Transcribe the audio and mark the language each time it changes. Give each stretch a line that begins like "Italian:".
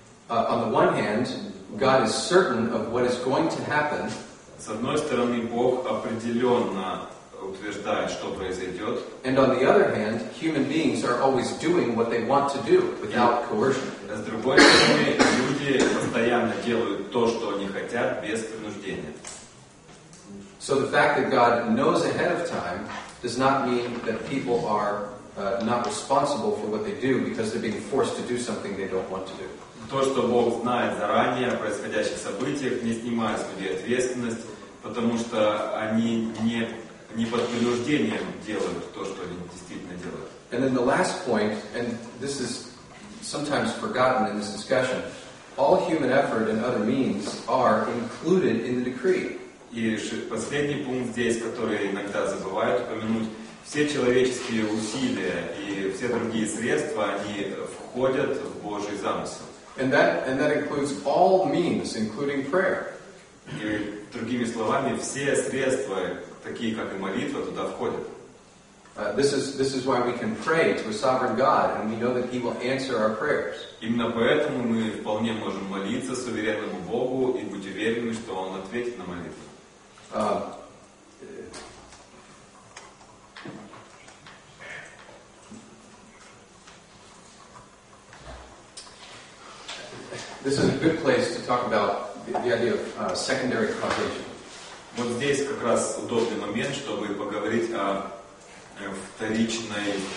English: On the one hand, God is certain of what is going to happen.
Russian: С одной стороны, Бог определенно утверждает, что произойдет.
English: And on the other hand, human beings are always doing what they want to do without coercion.
Russian: С другой стороны, люди постоянно делают то, что они хотят, без принуждения.
English: So the fact that God knows ahead of time does not mean that people are not responsible for what they do because they're being forced to do something they don't want to do.
Russian: То, что Бог знает заранее о происходящих событиях, не снимает с людей ответственность, потому что они не под принуждением делают то, что они действительно делают.
English: And then the last point, and this is sometimes forgotten in this discussion, all human effort and other means are included in the decree.
Russian: И последний пункт здесь, который иногда забывают упомянуть, все человеческие усилия и все другие средства, они входят в Божий замысел.
English: And that includes all means, including prayer.
Russian: И другими словами, все средства, такие как и молитва, туда входят.
English: This is why we can pray to a sovereign God, and we know that He will answer our prayers.
Russian: Именно поэтому мы вполне можем молиться суверенному Богу и быть уверены, что Он ответит на молитву.
English: This is a good place to talk about the idea of secondary causation.
Russian: Вот здесь как раз удобный момент, чтобы поговорить о вторичной.